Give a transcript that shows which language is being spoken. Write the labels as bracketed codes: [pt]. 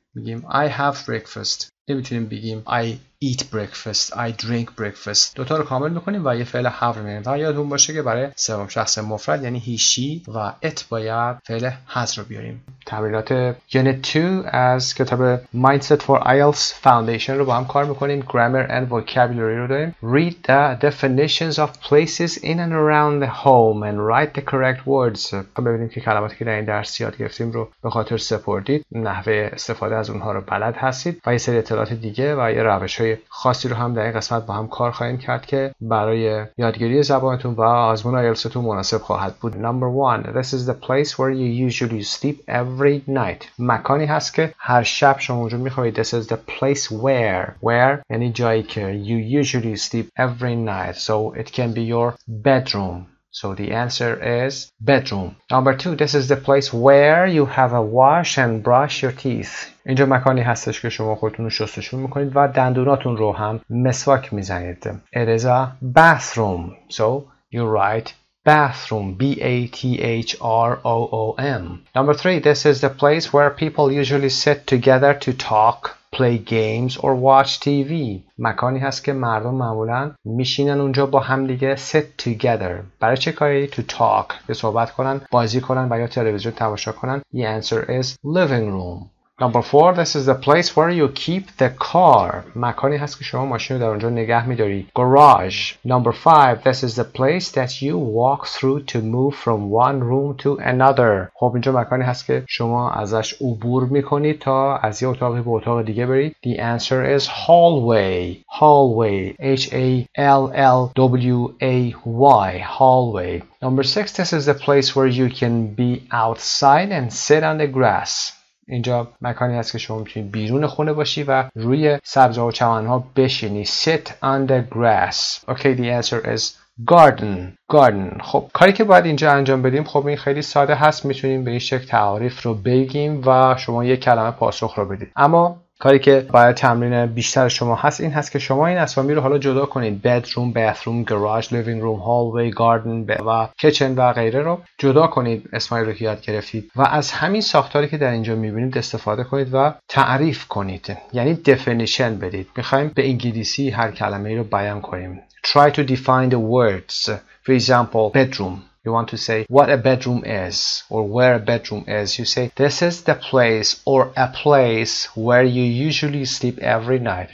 [fa] میگیم [en] I have breakfast. [fa] نمیتونیم بگیم [en] I eat breakfast, I drink breakfast. [fa] دوتا رو کامل میکنیم و یه فعل have رو میگیم. و یادتون باشه که برای سوم شخص مفرد یعنی he, she و it باید فعل has رو بیاریم. تمرینات unit 2 از کتاب Mindset for IELTS Foundation رو با هم کار میکنیم. [en] Grammar and vocabulary [fa] رو داریم. [en] Read the definitions of places in and around the home and write the correct words. [fa] ببینیم که کلماتی که در این درس یاد گرفتیم رو به خاطر سپردید، نحوه استفاده از اونها رو بلد هستید و یه سری اطلاعات دیگه و یه روش‌های خاصی رو هم در این قسمت با هم کار خواهیم کرد که برای یادگیری زبانتون و آزمون IELTSتون مناسب خواهد بود. [en] Number 1. This is the place where you usually sleep every night. [fa] مکانی هست که هر شب شما اونجا می‌خوابید. [en] This is the place where [fa] یعنی جایی که [en] you usually sleep every night. So it can be your bedroom. So the answer is bedroom. Number 2. This is the place where you have a wash and brush your teeth. [fa] اینجا مکانی هستش که شما خودتون رو شستشو می‌کنید و دندوناتون رو هم مسواک می‌زنید. [en] It is a bathroom. So you write bathroom, BATHROOM. Number 3, this is the place where people usually sit together to talk, play games or watch TV. [fa] مکانی هست که مردم معمولاً میشینن اونجا با هم دیگه [en] sit together. [fa] برای چه کاری؟ [en] To talk. [fa] یه صحبت کنن، بازی کنن و یا تلویزیون تماشا کنن. [en] The answer is living room. Number 4, this is the place where you keep the car. [fa] مکانی هست که شما ماشین رو در اونجا نگه می‌داری. [en] Garage. Number 5, this is the place that you walk through to move from one room to another. [fa] خب اینجا مکانی هست که شما ازش عبور می‌کنید تا از یه اتاق به اتاق دیگه برید. [en] The answer is hallway. Hallway. H-A-L-L-W-A-Y. Hallway. Number 6, this is the place where you can be outside and sit on the grass. [fa] اینجا مکانی هست که شما میتونید بیرون خونه باشی و روی سبزه و چمنها بشینی. [en] Sit on the grass. Okay, the answer is garden. Garden. [fa] خب کاری که باید اینجا انجام بدیم، خب این خیلی ساده هست، میتونیم به این شکل تعاریف رو بگیم و شما یک کلمه پاسخ رو بدید. اما کاری که باید تمرین بیشتر شما هست این هست که شما این اسامی رو حالا جدا کنید. bedroom, bathroom, garage, living room, hallway, garden و kitchen و غیره رو جدا کنید، اسمایی رو یاد گرفتید، و از همین ساختاری که در اینجا میبینید استفاده کنید و تعریف کنید، یعنی definition بدید. میخواییم به انگلیسی هر کلمه رو بیان کنیم. [en] Try to define the words. For example, bedroom. You want to say what a bedroom is or where a bedroom is. You say this is the place or a place where you usually sleep every night.